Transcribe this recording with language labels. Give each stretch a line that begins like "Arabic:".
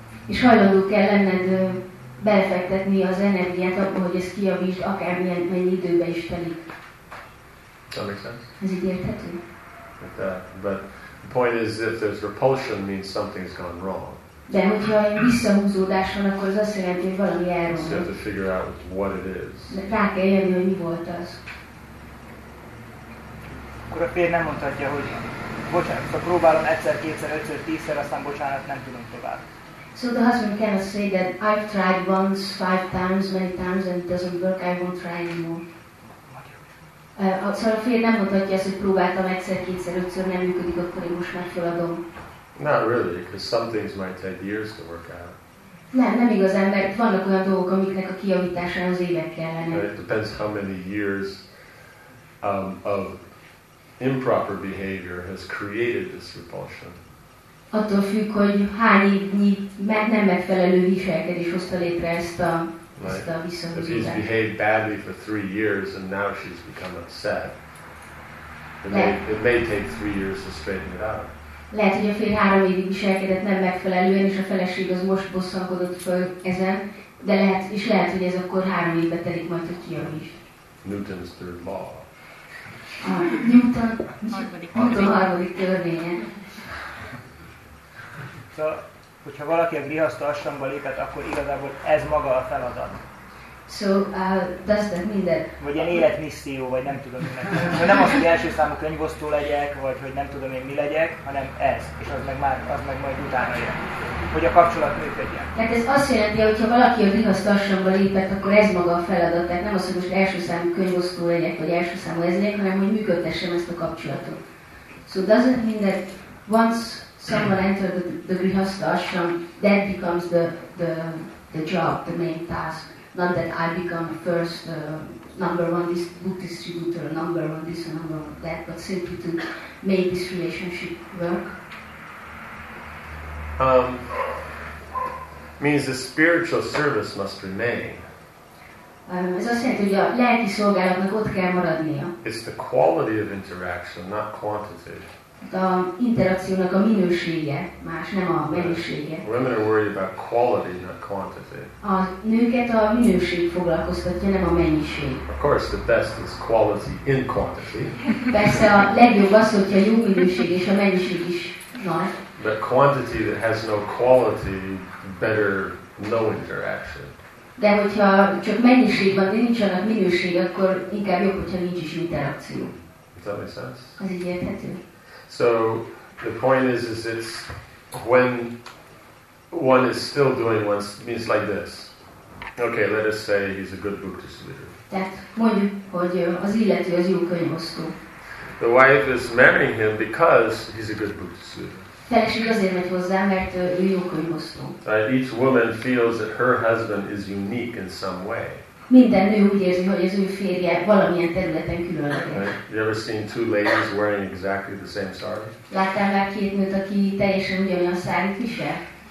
Hungarian: És hajlandó kell lenned belefektetni az energiát abban, hogy ezt kijavítsd, akármilyen mennyi időbe is telik.
English: That makes sense?
Hungarian: Ez így érthető?
English: But the point is, if there's repulsion, means something's gone wrong.
Hungarian: De hogyha visszahúzódás van, akkor az azt jelenti, hogy valami elromlott.
English: You have to figure out what it is.
Hungarian: De rá kell jönni, hogy mi volt az. Akkor a férj nem mondhatja, hogy bocsánat, szóval próbálom egyszer, kétszer, ötször, tízszer, aztán bocsánat, nem tudom tovább.
English: So the husband cannot say that I've tried once, five times, many times, and it doesn't work, I won't try anymore.
Hungarian: Szóval a férj nem mondhatja azt, hogy próbáltam egyszer, kétszer, ötször, nem működik, akkor én most már feladom.
English: Not really, because some things might take years to work out.
Hungarian: Nem igazán, mert vannak olyan dolgok, amiknek a kijavításához évek kellene.
English: It depends how many years of improper behavior has created this repulsion.
Hungarian: Attól függ, hogy hány évnyi nem megfelelő viselkedés hozta létre ezt a viszonyítást.
English: If he's behaved badly for 3 years and now she's become upset, it may take 3 years to straighten it out.
Hungarian: Lehet, hogy a férj 3 évig viselkedett nem megfelelően, és a feleség az most bosszankodott föl ezen, de lehet, hogy ez akkor 3 évbe telik majd, hogy kijavít.
English: Newton's third law.
Hungarian: Newton harmadik törvénye. Szóval, hogyha valaki a grihasztha asramba lépett, akkor igazából ez maga a feladat.
English: So, does that mean that...
Hungarian: Vagy ilyen életmisszió, vagy nem tudom, hogy szóval nem az, hogy első számú könyvosztó legyek, vagy hogy nem tudom én mi legyek, hanem ez, és az meg majd utána jön, hogy a kapcsolat működjen. Tehát ez azt jelenti, hogyha valaki a grihasztha asramba lépett, akkor ez maga a feladat. Tehát nem az, hogy most első számú könyvosztó legyek, vagy első számú ez legyek, hanem hogy működtessem ezt a kapcsolatot.
English: So, does that mean that once someone entered the grihasztha asram, that becomes the job, the main task? Not that I become first number one book distributor, number one this and number one that, but simply to make this relationship work. Means the spiritual service must remain.
Hungarian: Ez azt jelenti, hogy a lelki szolgálatnak ott kell maradnia.
English: It's the quality of interaction, not quantity.
Hungarian: A interakciónak a minősége más, nem a mennyisége.
English: Women are worried about quality, not quantity.
Hungarian: A nőket a minőség foglalkoztatja, nem a mennyiség.
English: Of course, the best is quality in quantity.
Hungarian: Persze a legjobb az, hogyha jó minőség és a mennyiség is nagy.
English: But quantity that has no quality, better no interaction.
Hungarian: De hogyha csak mennyiség van, de nincsenek minőség, akkor inkább jobb, hogyha nincs is interakció.
English: Does that make sense?
Hungarian: Az így érthető.
English: So the point is it's when one is still doing one's means like this. Okay, let us say he's a good book distributor.
Hungarian: Tehát mondjuk, hogy az illető az jó könyvosztó.
English: The wife is marrying him because he's a good book distributor.
Hungarian: Feleség azért megy hozzá, mert ő jó könyvosztó.
English: Each woman feels that her husband is unique in some way.
Hungarian: Minden nő úgy érzi, hogy az ő férje valamilyen területen különleges.
English: You ever seen two ladies wearing exactly the same sari?
Hungarian: Láttál már két nőt, aki teljesen ugyanolyan sárit visel?